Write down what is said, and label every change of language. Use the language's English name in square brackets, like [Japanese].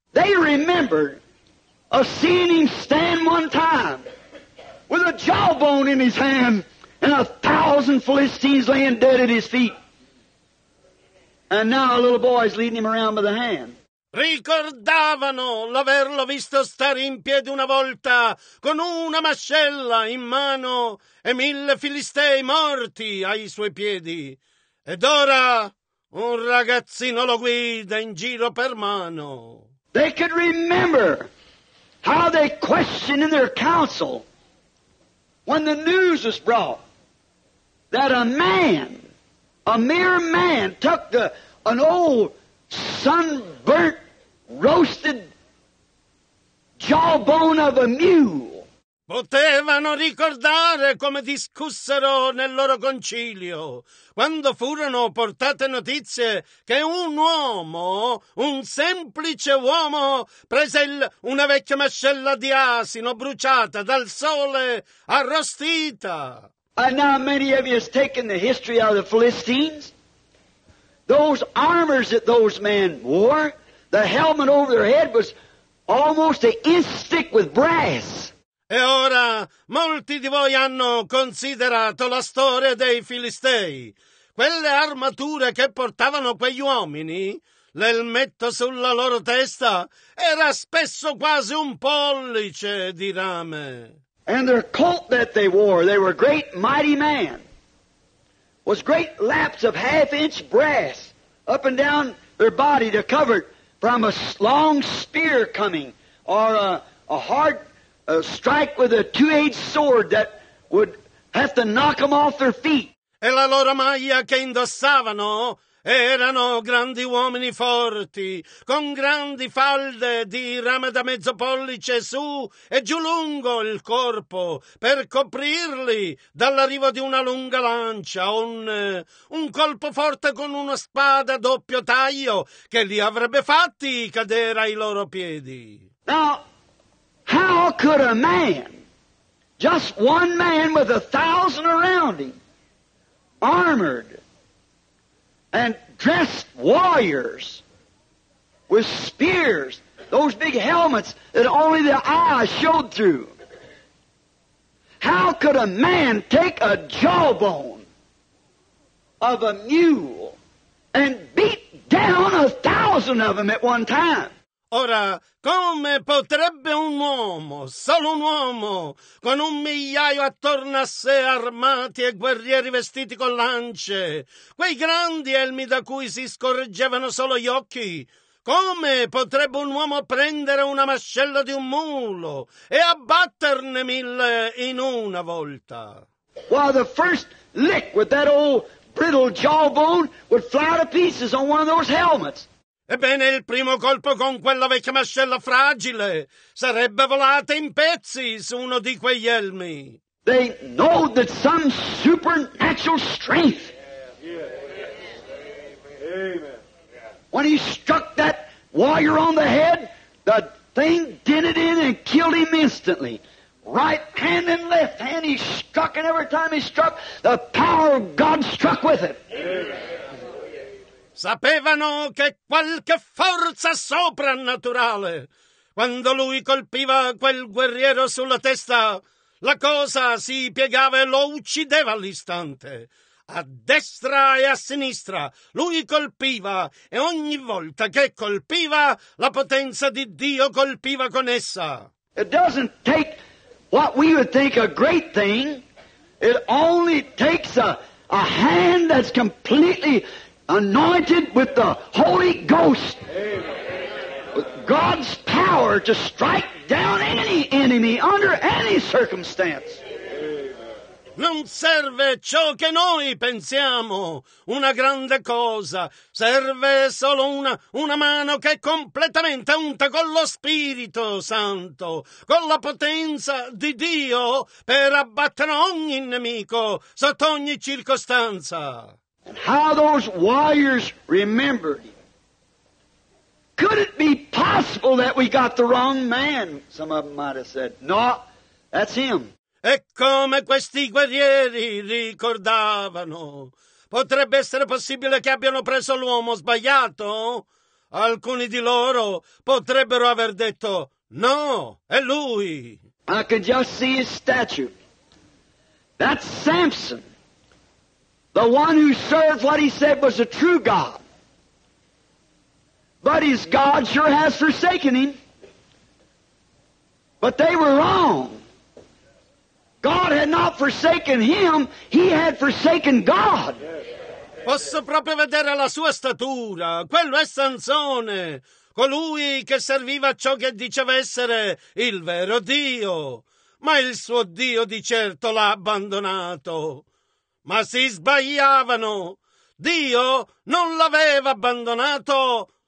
[English] They remembered a seeing him stand one time, with a jawbone in his hand, and 1,000 Philistines laying dead at his feet. And now a little boy is leading him around by the hand. [Italian] Ricordavano l'averlo visto stare in piedi una volta con una mascella in mano e mille filistei morti ai suoi piedi. Ed ora un ragazzino lo guida in giro per mano. [English] They could remember how they questioned in their council when the news was brought that a mere man took an old sunburnt roasted jawbone of a mule. [Italian] Potevano ricordare come discussero nel loro concilio quando furono portate notizie che un uomo, un semplice uomo, prese una vecchia mascella di asino bruciata dal sole, arrostita. [English] And now many of you have taken the history of the Philistines. Those armors that those men wore, the helmet over their head was almost an inch thick with brass. [Italian] E ora molti di voi hanno considerato la storia dei Filistei. Quelle armature che portavano quegli uomini, l'elmetto sulla loro testa, era spesso quasi un pollice di rame. [English] And their coat that they wore, they were great mighty men, was great laps of half inch brass up and down their body to cover it from a long spear coming or a strike with a two-edged sword that would have to knock them off their feet. [Italian] E la loro maglia che indossavano erano grandi uomini forti, con grandi falde di rame da mezzo pollice su e giù lungo il corpo, per coprirli dall'arrivo di una lunga lancia, un colpo forte con una spada a doppio taglio che li avrebbe fatti cadere ai loro piedi. [English] Now, how could a man, just one man with 1,000 around him, armored and dressed warriors with spears, those big helmets that only the eye showed through, how could a man take a jawbone of a mule and beat down 1,000 of them at one time? [Italian] Ora, come potrebbe un uomo, solo un uomo, con un migliaio attorno a sé armati e guerrieri vestiti con lance, quei grandi elmi da cui si scorreggevano solo gli occhi, come potrebbe un uomo prendere una mascella di un mulo e abbatterne mille in una volta? [English] Well, the first lick with that old brittle jawbone would fly to pieces on one of those helmets. [Italian] Ebbene, il primo colpo con quella vecchia mascella fragile sarebbe volata in pezzi su uno di quegli elmi. [English] They know that some supernatural strength. When he struck that warrior on the head, the thing dented in and killed him instantly. Right hand and left hand he struck, and every time he struck, the power of God struck with it. [Italian] Sapevano che qualche forza soprannaturale, quando lui colpiva quel guerriero sulla testa, la cosa si piegava e lo uccideva all'istante. A destra e a sinistra lui colpiva, e ogni volta che colpiva, la potenza di Dio colpiva con essa. [English] It doesn't take what we would think a great thing. It only takes a hand that's completely anointed with the Holy Ghost, with God's power to strike down any enemy under any circumstance. [Italian] Non serve ciò che noi pensiamo una grande cosa, serve solo una mano che è completamente unta con lo Spirito Santo, con la potenza di Dio, per abbattere ogni nemico sotto ogni circostanza. [English] And how those warriors remembered him. Could it be possible that we got the wrong man? Some of them might have said, no, that's him. [Italian] E come questi guerrieri ricordavano. Potrebbe essere possibile che abbiano preso l'uomo sbagliato? Alcuni di loro potrebbero aver detto, no, è lui. [English] I could just see his statue. That's Samson. The one who served what he said was a true God. But his God sure has forsaken him. But they were wrong. God had not forsaken him, he had forsaken God. [Italian] Posso proprio vedere la sua statura. Quello è Sansone, colui che serviva ciò che diceva essere il vero Dio. Ma il suo Dio di certo l'ha abbandonato. Ma si sbagliavano. Dio non l'aveva abbandonato.